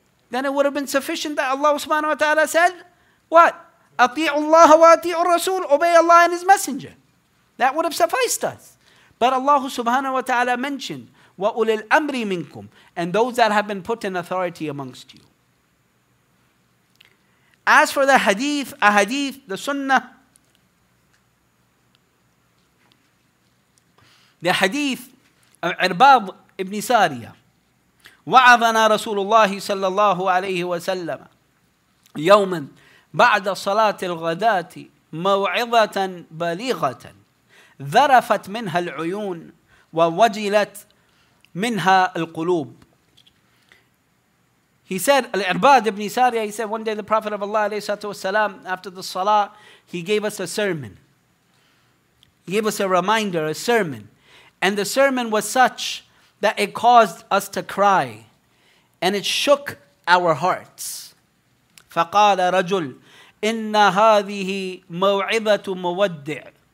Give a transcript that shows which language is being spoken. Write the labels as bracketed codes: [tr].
[en] Then it would have been sufficient that Allah subhanahu wa ta'ala said, what? [ar] أَطِيعُ اللَّهَ وَأَطِيعُ الرَّسُولُ. [en] Obey Allah and His Messenger. That would have sufficed us. But Allah subhanahu wa ta'ala mentioned, [ar] وَأُولِي الْأَمْرِ مِنْكُمْ. [en] And those that have been put in authority amongst you. As for the hadith, a hadith, the sunnah, the hadith of Irbad ibn Sariyah, [ar] وَعَظَنَا رَسُولُ اللَّهِ صَلَّى اللَّهُ عَلَيْهِ وَسَلَّمَ يَوْمًا بَعْدَ صَلَاةِ الْغَدَاةِ مَوْعِظَةً بَلِيغَةً ذرفت منها العيون ووجلت منها القلوب. [en] He said, Al-Irbad ibn Sariyah, he said, one day the Prophet of Allah alayhi salatu wasalam, after the salah, he gave us a sermon. He gave us a reminder, a sermon. And the sermon was such that it caused us to cry. And it shook our hearts. [ar] فَقَالَ رَجُلْ إِنَّ هَذِهِ مَوْعِظَةُ مَوَدِّعُ.